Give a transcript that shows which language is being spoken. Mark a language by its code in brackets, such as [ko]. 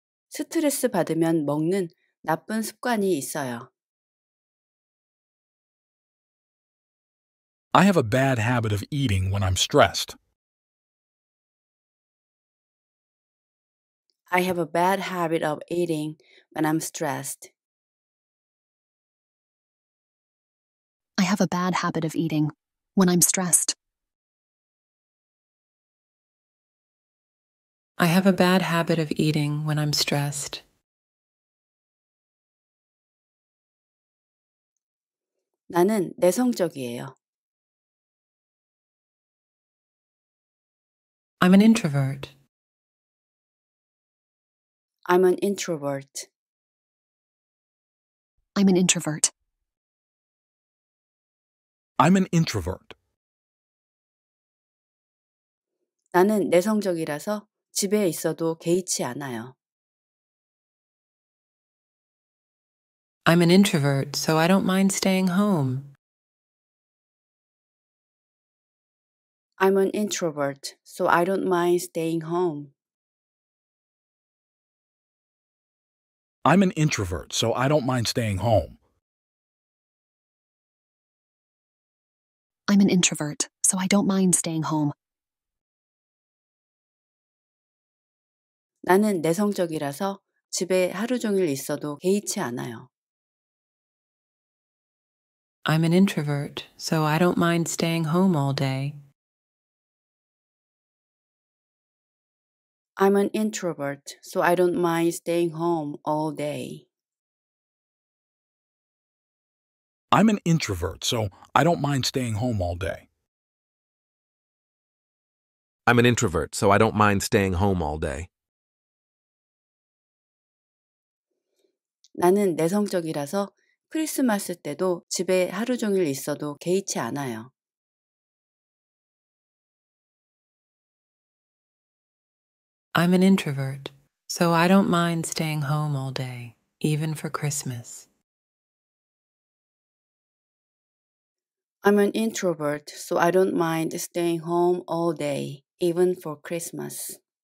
[ko] 스트레스 받으면 먹는 나쁜 습관이 있어요. [en] I have a bad habit of eating when I'm stressed. I have a bad habit of eating when I'm stressed. I have a bad habit of eating when I'm stressed. I have a bad habit of eating when I'm stressed. [ko] 나는 내성적이에요. [en] I'm an introvert. I'm an introvert. I'm an introvert. I'm an introvert. [ko] 나는 내성적이라서 집에 있어도 개의치 않아요. [en] I'm an introvert, so I don't mind staying home. I'm an introvert, so I don't mind staying home. I'm an introvert, so I don't mind staying home. I'm an introvert, so I don't mind staying home. [ko] 나는 내성적이라서 집에 하루 종일 있어도 개의치 않아요. [en] I'm an introvert, so I don't mind staying home all day. I'm an introvert, so I don't mind staying home all day. I'm an introvert, so I don't mind staying home all day. I'm an introvert, so I don't mind staying home all day. [ko] 나는 내성적이라서 크리스마스 때도 집에 하루 종일 있어도 개의치 않아요. [en] I'm an introvert, so I don't mind staying home all day, even for Christmas. I'm an introvert, so I don't mind staying home all day, even for Christmas.